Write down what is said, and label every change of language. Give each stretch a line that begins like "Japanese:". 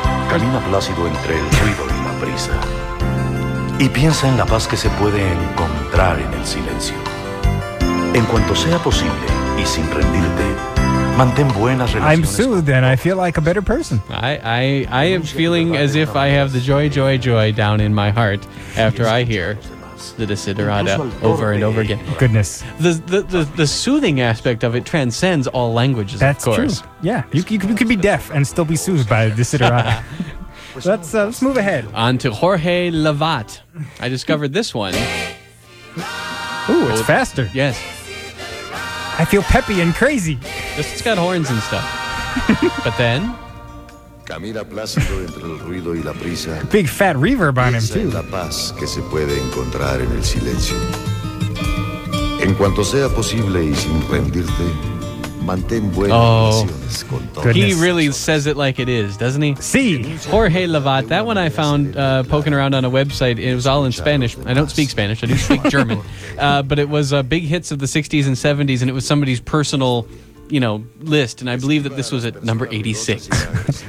Spanish: Camina plácido entre el ruido y la brisa. Y piensa en la paz que se puede encontrar en el silencio. En cuanto sea posible y sin rendirte, mantén buenas relaciones.
English: I'm soothed and I feel like a better person. I am feeling as if I have the joy down in my heart after I hear the Desiderata over and over again. Goodness. The soothing aspect of it transcends all languages, that's of course. That's true. Yeah, you could be deaf and still be soothed by the Desiderata. let's move ahead. On to Jorge Lavat. I discovered this one. Ooh, it's faster. Yes. I feel peppy and crazy. It's got horns and stuff. But then...
Spanish: Camina plácido entre el ruido y la brisa.
English: Big fat reverb on him, too.
Spanish: La paz que se puede encontrar en el silencio. En cuanto sea posible y sin rendirte, mantén buenas relaciones con todos.
English: He really says it like it is, doesn't he?
Spanish: Sí.
English: Jorge Lavat, that one I found poking around on a website. It was all in Spanish. I don't speak Spanish. I do speak German. But it was big hits of the 60s and 70s, and it was somebody's personal... list, and I believe that this was at number 86.